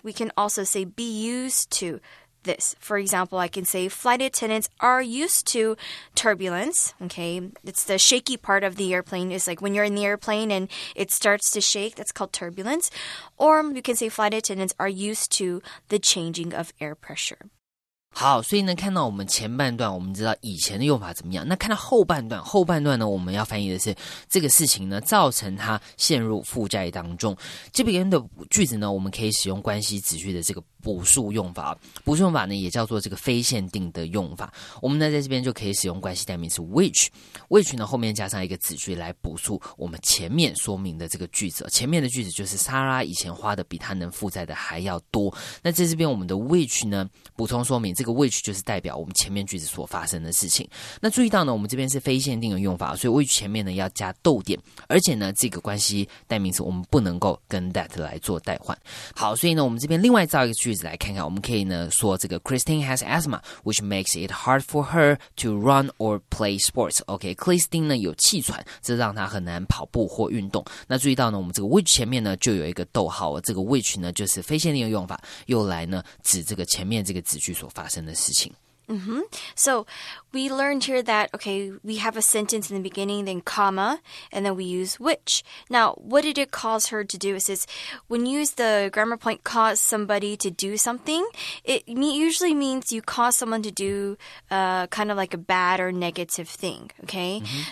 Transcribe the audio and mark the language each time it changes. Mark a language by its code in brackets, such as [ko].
[en] We can also say be used to this. For example, I can say flight attendants are used to turbulence. Okay, it's the shaky part of the airplane. It's like when you're in the airplane and it starts to shake, that's called turbulence. Or you can say flight attendants are used to the changing of air pressure. [zh] 好，所以呢，看到我们前半段，我们知道以前的用法怎么样。那看到后半段，后半段呢，我们要翻译的是这个事情呢，造成他陷入负债当中。这边的句子呢，我们可以使用关系子句的这个补述用法，补述用法呢也叫做这个非限定的用法。我们呢在这边就可以使用关系代名词 which 呢后面加上一个子句来补述我们前面说明的这个句子。前面的句子就是莎拉以前花的比她能负债的还要多。那在这边我们的 which 呢补充说明，这个 which 就是代表我们前面句子所发生的事情。那注意到呢，我们这边是非限定的用法，所以 which 前面呢要加逗点，而且呢这个关系代名词我们不能够跟 that 来做代换。好，所以呢我们这边另外造一个句子来看看，我们可以呢说这个 [en] Christine has asthma, which makes it hard for her to run or play sports. [zh] OK, Christine 呢有气喘，这让她很难跑步或运动。那注意到呢，我们这个 which 前面呢就有一个逗号，这个 which 呢就是非限定的用法，用来呢指这个前面这个子句所发生的事情。 Mm-hmm. [en] So we learned here that, okay, we have a sentence in the beginning, then comma, and then we use which. Now, what did it cause her to do? It says, when you use the grammar point, cause somebody to do something, it usually means you cause someone to do kind of like a bad or negative thing, okay? Mm-hmm.